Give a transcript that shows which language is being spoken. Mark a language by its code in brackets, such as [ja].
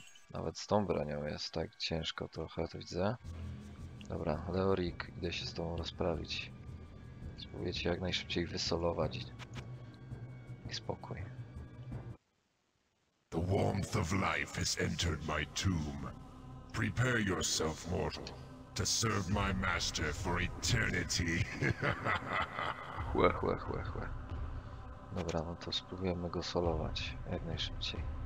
[pl] Nawet z tą bronią jest tak ciężko trochę, to widzę. Dobra, Leoric, idę się z tobą rozprawić. Spróbuję cię jak najszybciej wysolować. Spokój. [en] The warmth of life has entered my tomb. Prepare yourself, mortal, to serve my master for eternity. Łe. [pl] Dobra, no to spróbujemy go solować jak najszybciej.